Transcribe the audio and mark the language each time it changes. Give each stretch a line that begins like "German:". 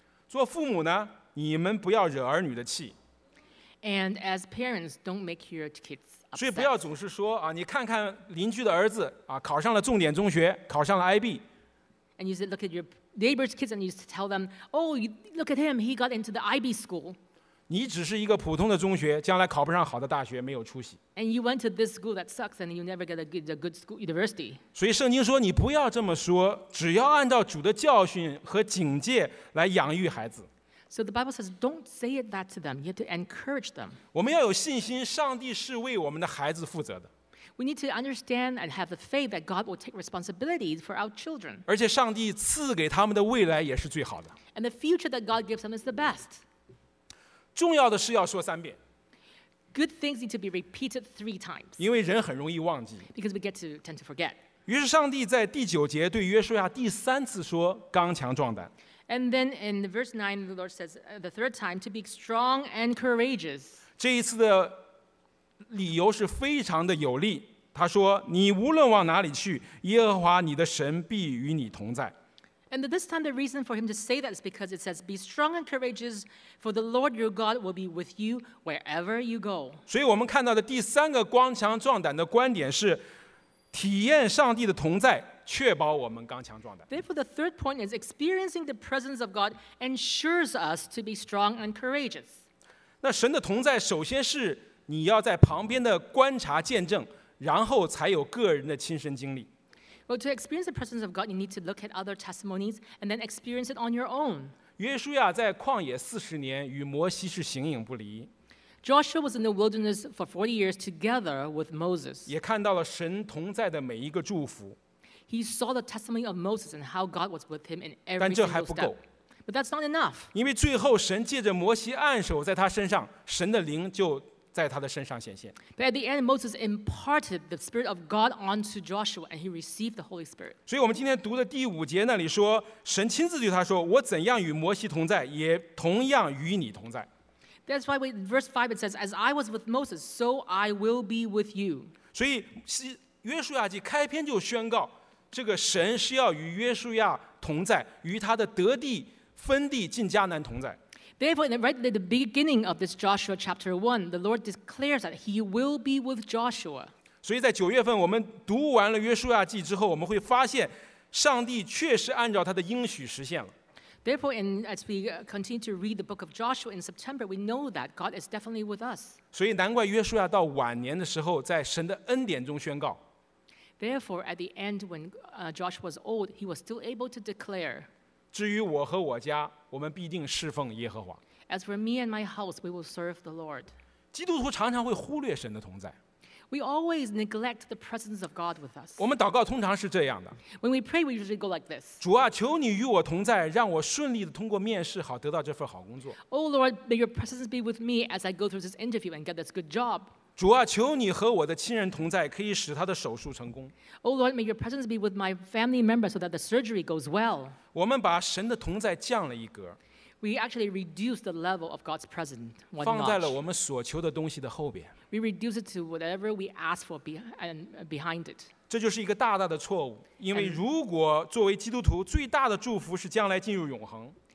Chinese: 做父母呢，你们不要惹儿女的气。
English: And as parents, don't make your kids.
Chinese: 所以不要总是说、啊、你看看邻居的儿子、啊、考上了重点中学，考上了 IB。
English: And you look at your neighbor's kids and you tell them, oh, look at him, he got into the IB school.
Chinese: 你只是一个普通的中学，将来考不上好的大学，没有出息。
English: And you went to this school that sucks and you never get a good school university.
Chinese: 所以圣经说你不要这么说，只要按照主的教训和警戒来养育孩子。
English: So the Bible says, don't say it that to them. You have to encourage them.
Chinese: 我们要有信心，上帝是为我们的孩子负责的。
English: We need to understand and have the faith that God will take responsibility for our children.
Chinese: 而且上帝赐给他们的未来也是最好的。
English: And the future that God gives them is the best.
Chinese: 重要的是要说三遍。
English: Good things need to be repeated three times.
Chinese: 因为人很容易忘记。
English: Because we tend to forget.
Chinese: 于是上帝在第九节对约书亚第三次说刚强壮胆。
English: And then in verse 9, the Lord says the third time, to be strong and courageous.
Chinese: 这一次的理由是非常的有力。他说，你无论往哪里去，耶和华你的神必与你同在。
English: And this time the reason for him to say that is because it says, be strong and courageous, for the Lord your God will be with you wherever you go.
Chinese: 所以我们看到的第三个刚强壮胆的观点是，体验上帝的同在。确保我们刚强壮胆。
English: Therefore, the third point is experiencing the presence of God ensures us to be strong and courageous.
Chinese: 那神的同在，首先是你要在旁边的观察见证，然后才有个人的亲身经历。
English: Well, to experience the presence of God, you need to look at other testimonies and then experience it on your own.
Chinese: 约书亚在旷野四十年与摩西是形影不离。
English: Joshua was in the wilderness for 40 years together with Moses.
Chinese: 也看到了神同在的每一个祝福。
English: He saw the testimony of Moses and how God was with him in every single step.
Chinese: 但这还不够。
English: But that's not enough.
Chinese: 因为最后神借着摩西按手在他身上，神的灵就在他的身上显现。
English: But at the end, Moses imparted the Spirit of God onto Joshua, and he received the Holy Spirit.
Chinese: 所以我们今天读的第五节那里说，神亲自对他说，我怎样与摩西同在，也同样与你同在。
English: That's why in verse 5 it says, as I was with Moses, so I will be with you.
Chinese: 所以约书亚记开篇就宣告，这个神是要与约书亚同在，与他的得地分地进迦南同在。
English: Therefore, right at the beginning of this Joshua chapter 1, the Lord declares that he will be with Joshua.
Chinese: 所以在九月份我们读完了约书亚记之后，我们会发现上帝确实按照他的应许实现了。
English: Therefore, and as we continue to read the book of Joshua in September, we know that God is definitely with us.
Chinese: 所以难怪约书亚到晚年的时候在神的恩典中宣告。
English: Therefore, at the end, when Joshua was old, he was still able to declare,
Chinese: 至于我和我家，我们必定侍奉耶和华。
English: As for me and my house, we will serve the Lord.
Chinese: 基督徒常常会忽略神的同在。
English: We always neglect the presence of God with us.
Chinese: 我们祷告通常是这样的。
English: When we pray, we usually go like this.
Chinese: 主啊，求你与我同在，让我顺利地通过面试，好得到这份好工作。
English: Oh Lord, may your presence be with me as I go through this interview and get this good job.
Chinese: 主啊，求你和我的亲人同在，可以使他的手术成功。
English: Oh Lord, may your presence be with my family member so that the surgery goes well.
Chinese: 我们把神的同在降了一格。
English: We actually reduce the level of God's presence one notch.
Chinese: 放在了我们所求的东西的后边。
English: We reduce it to whatever we ask for behind it.
Chinese: 这就是一个大大的错误，因为如果作为基督徒，最大的祝福是将来进入永恒。